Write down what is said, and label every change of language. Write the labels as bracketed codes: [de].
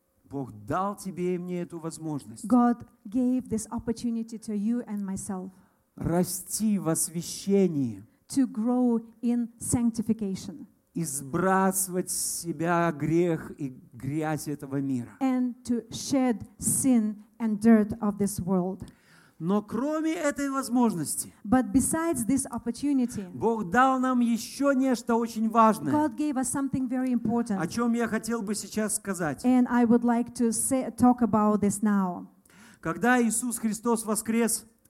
[ru] Бог дал тебе и мне эту возможность. [en] God gave this opportunity to you and myself. [ru] Расти в освящении. [en] To grow in sanctification. [ru] И сбрасывать с себя грех и грязь этого мира. [en] And to shed sin and dirt of this world. [ru] Но кроме этой возможности, [en] but besides this opportunity, [ru] Бог дал нам еще нечто очень важное, [en] God gave us something very important, [ru] о чем я хотел бы сейчас сказать. [en] And I would like to talk about this now. [ru] Когда Иисус Христос воскрес,